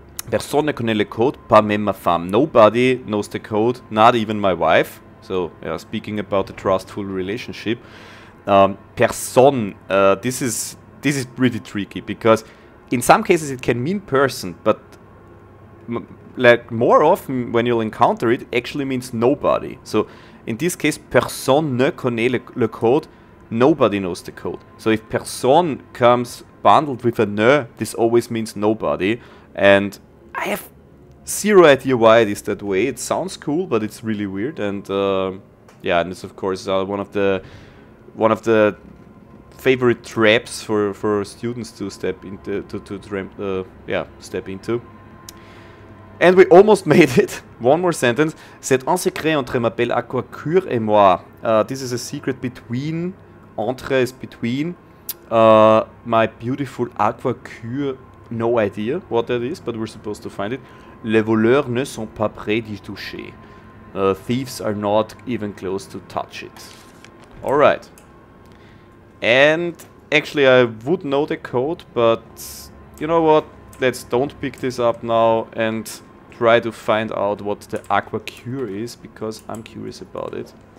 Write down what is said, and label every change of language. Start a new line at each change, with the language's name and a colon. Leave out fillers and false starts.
French: Personne ne connaît le code, pas même ma femme.
English: Nobody knows the code, not even my wife. So, yeah, speaking about a trustful relationship. Personne, this is pretty tricky, because in some cases it can mean person, but more often when you'll encounter it, it actually means nobody. So, in this case, personne ne connaît le code, nobody knows the code. So, if personne comes bundled with a ne, this always means nobody, and I have zero idea why it is that way. It sounds cool, but it's really weird. And and it's of course one of the favorite traps for students to step into step into. And we almost made it. One more sentence.
French: C'est un secret entre ma belle Aquacure et moi.
English: This is a secret between. Entre is between. My beautiful Aquacure. No idea what that is, but we're supposed to find it.
French: Les voleurs ne sont pas prêts d'y toucher.
English: Thieves are not even close to touch it. Alright. And actually I would know the code, but you know what? Let's don't pick this up now and try to find out what the Aqua Cure is, because I'm curious about it.